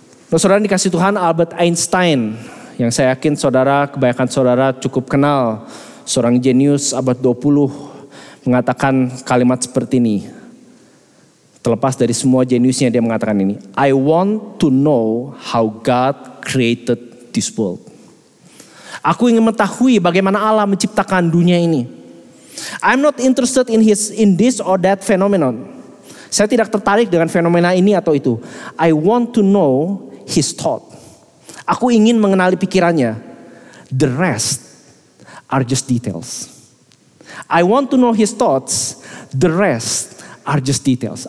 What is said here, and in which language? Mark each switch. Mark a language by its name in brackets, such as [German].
[Indonesian] Nah, saudara dikasih Tuhan, Albert Einstein, yang saya yakin saudara, kebanyakan saudara cukup kenal, seorang jenius abad 20, mengatakan kalimat seperti ini. Terlepas dari semua jeniusnya, dia mengatakan ini, [English] "I want to know how God created this world." [Indonesian] Aku ingin mengetahui bagaimana Allah menciptakan dunia ini. [English] "I'm not interested in this or that phenomenon." [Indonesian] Saya tidak tertarik dengan fenomena ini atau itu. [English] "I want to know his thought." [Indonesian] Aku ingin mengenali pikirannya. [English] "The rest are just details." "I want to know his thoughts. The rest are just details."